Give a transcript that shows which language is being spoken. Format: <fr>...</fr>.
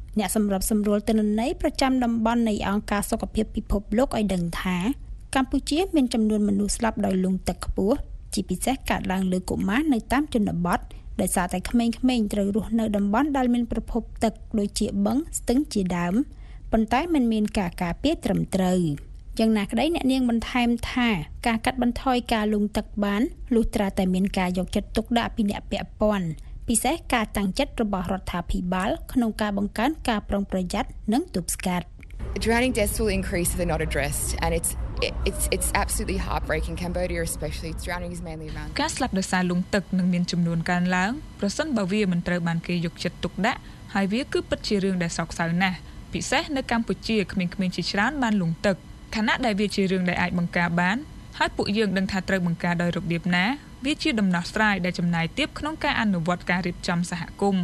<km>អ្នកសម្របសម្រួលទិន្នន័យប្រចាំតំបន់នៃអង្គការសុខភាពពិភពលោកឲ្យដឹងថាកម្ពុជាមានចំនួនមនុស្សស្លាប់ដោយលង់ទឹកខ្ពស់ជាពិសេសកើតឡើងលើកុមារនៅតាមជនបទដោយសារតែក្មេងៗត្រូវរស់នៅតំបន់ដែលមានប្រភពទឹកដូចជាបឹងស្ទឹងជាដើមប៉ុន្តែមិនមានការការពារត្រឹមត្រូវ យ៉ាងណាក្តីអ្នកនាងបន្ថែមថាការកាត់បន្ថយការលង់ទឹកបានលុះត្រាតែមានការយកចិត្តទុកដាក់ពីអ្នកពាក់ព័ន្ធពិសេសការតាំងចិត្តរបស់រដ្ឋាភិបាលក្នុងការបង្កើនការប្រុងប្រយ័ត្ននិងទប់ស្កាត់</km> <en>Drowning deaths will increase if they're not addressed and it's absolutely heartbreaking Cambodia especially drowning is mainly around</en> <km>ការស្លាប់ដោយសារលង់ទឹកនឹងមានចំនួនកើនឡើងប្រសិនបើវាមិនត្រូវបានគេយកចិត្តទុកដាក់ហើយវាគឺពិតជារឿងដែលសោកសៅណាស់ពិសេសនៅកម្ពុជាក្មេងៗជាច្រើនបានលង់ទឹកខណៈដែលវាជារឿងដែលអាចបង្ការបានហើយពួកយើងដឹងថាត្រូវបង្ការដោយរបៀបណាវាជាដំណោះស្រាយដែលចំណាយទៀបក្នុងការអនុវត្តការរៀបចំសហគមន</km>